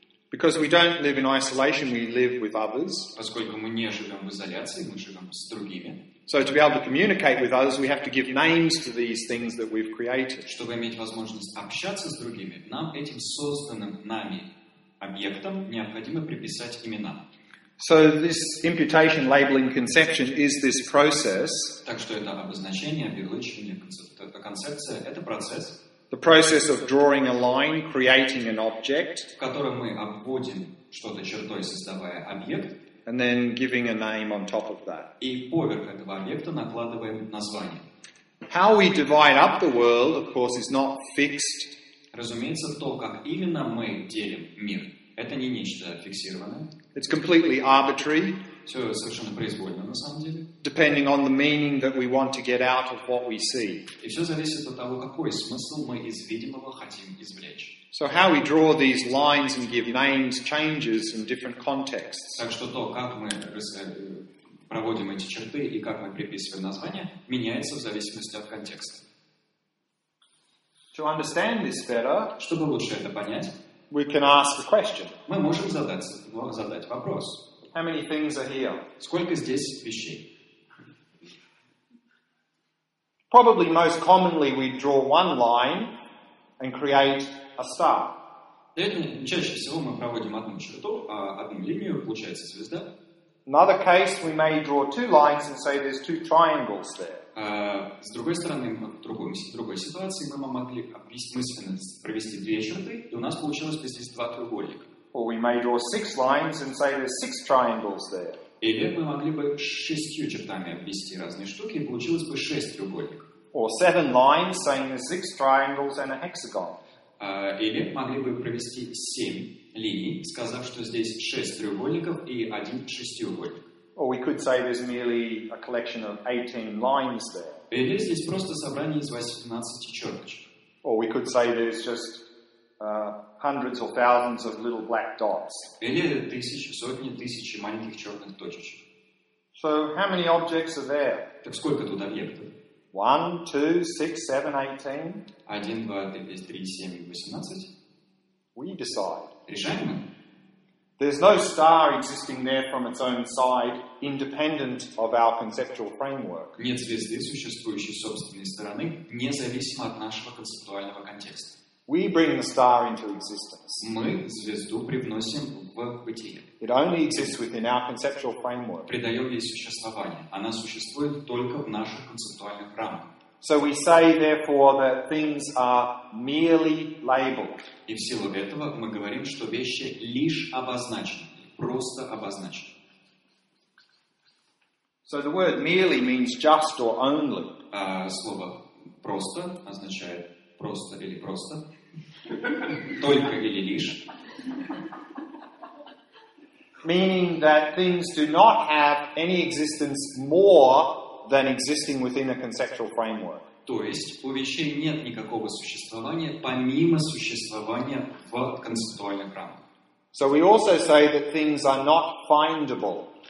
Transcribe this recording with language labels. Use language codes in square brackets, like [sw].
[en] Because we don't live in isolation, we live with others. [ru] Поскольку мы не живем в изоляции, мы живем с другими. [en] So to be able to communicate with others, we have to give names to these things that we've created. [ru] Чтобы иметь возможность общаться с другими, нам этим созданным нами объектам необходимо приписать имена. [en] So this imputation, labeling, conception is this process. [ru] Так что это обозначение, обезличивание, концепция — это процесс. [en] The process of drawing a line, creating an object. [ru] В котором мы обводим что-то чертой, создавая объект. [en] And then giving a name on top of that. [ru] И поверх этого объекта накладываем название. [en] How we divide up the world, of course, is not fixed. [ru] Разумеется, то, как именно мы делим мир, это не нечто фиксированное. [en] It's completely arbitrary. [ru] Все совершенно произвольно, на самом деле. [en] Depending on the meaning that we want to get out of what we see. [ru] И все зависит от того, какой смысл мы из видимого хотим извлечь. [en] So how we draw these lines and give names changes in different contexts. [ru] Так что то, как мы проводим эти черты и как мы приписываем названия, меняется в зависимости от контекста. [en] To understand this better, [ru] чтобы лучше это понять, [en] we can ask a question. [ru] Мы можем задать вопрос. [en] How many things are here? [ru] Сколько здесь вещей? [en] Probably most commonly we draw one line and create a star. [ru] Чаще всего мы проводим одну черту, а одну линию, получается звезда. [en] Another case, we may draw two lines and say there's two triangles there. [ru] С другой стороны, в другой ситуации мы могли мысленно провести две черты, и у нас получилось бы здесь два треугольника. [en] Or we may draw six lines and say there's six triangles there. [ru] Или мы могли бы шестью чертами обвести разные штуки, и получилось бы шесть треугольников. [en] Or seven lines saying there's six triangles and a hexagon. [ru] Или могли бы провести семь линий, сказав, что здесь шесть треугольников и один шестиугольник. [en] Or we could say there's merely a collection of 18 lines there. [ru] Или здесь просто собрание из 18 черточек. [en] Or we could say there's just hundreds or thousands of little black dots. [ru] Или тысячи, сотни, тысячи маленьких черных точечек. [en] So how many objects are there? [ru] Так сколько тут объектов? [en] 1, 2, 6, 7, 18. [ru] 1, 2, 3, 7, 18. [en] We decide. [ru] Решаем мы. [en] There's no star existing there from its own side, independent of our conceptual framework. [ru] Нет звезды, существующей с собственной стороны, независимо от нашего концептуального контекста. [en] We bring the star into existence. [ru] Мы звезду привносим в бытие. [en] It only exists within our conceptual framework. [ru] Придаем ей существование. Она существует только в наших концептуальных рамках. [en] So we say, therefore, that things are merely labeled. [ru] И в силу этого мы говорим, что вещи лишь обозначены, просто обозначены. [en] So the word merely means just or only. [ru] Слово просто означает просто или просто, только или лишь. [en] Meaning that things do not have any existence more than existing within a conceptual framework. [ru] То есть у вещей нет никакого существования помимо существования в концептуальных рамках. [en] So we also say that things are not findable.